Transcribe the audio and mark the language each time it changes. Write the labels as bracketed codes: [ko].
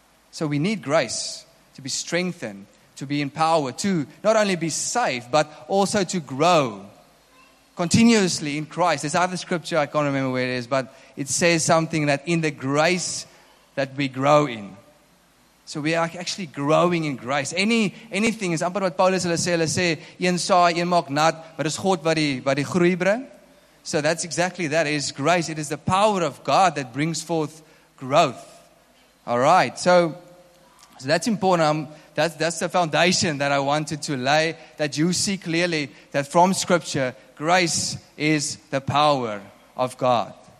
[en] So we need grace to be strengthened, to be empowered, to not only be saved, but also to grow continuously in Christ. There's other scripture, I can't remember where it is, but it says something that in the grace that we grow in. So we are actually growing in grace. [af] Anything is amper wat Paulus hulle sê, een saai, een maak nat, maar dis God wat die groei bring. [en] So that's exactly that. It is grace. It is the power of God that brings forth growth. All right. So that's important. That's the foundation that I wanted to lay, that you see clearly that from Scripture, grace is the power of God.